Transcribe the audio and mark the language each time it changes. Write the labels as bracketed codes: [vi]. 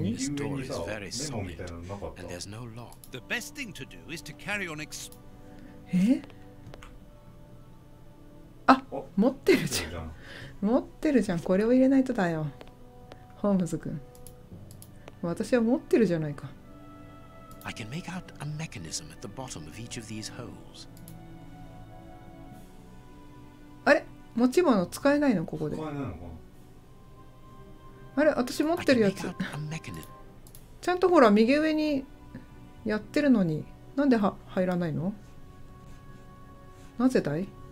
[ja] メモみたいなのなかった。え？ [en] The best thing to do is to carry on [ja] あ、持ってるじゃん。持ってるじゃん。これを入れないとだよ。ホームズ君。私は持ってるじゃないか。 [en] I can make out a mechanism at the bottom of each of these holes. [ja] あれ、持ち物使えないのここで。使えないのか。あれ、私持ってるやつ。ちゃんとほら右上にやってるのに、なんで入らないの？なぜだい？